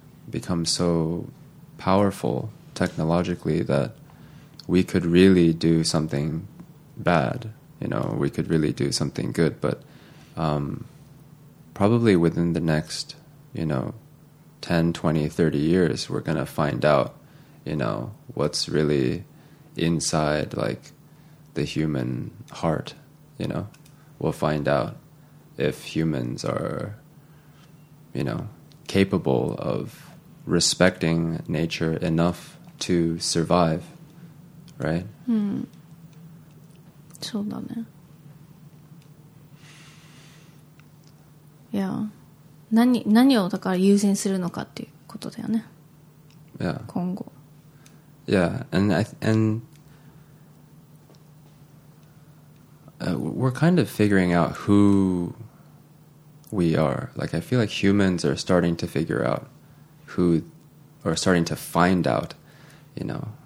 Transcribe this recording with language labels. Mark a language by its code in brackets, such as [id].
[en] become so powerful technologically thatWe could really do something bad, you know, we could really do something good, but、probably within the next, you know, 10, 20, 30 years, we're going to find out, you know, what's really inside, like, the human heart, you know. We'll find out if humans are, you know, capable of respecting nature enough to survive. Right? [ja] うん、そうだね。いや、何をだから優先するのかっていうことだよね。 [en] Yeah. [ja] 今後。 [en] Yeah, and we're kind of figuring out who we are. Like, I feel like humans are starting to figure out who, or starting to find out, you know.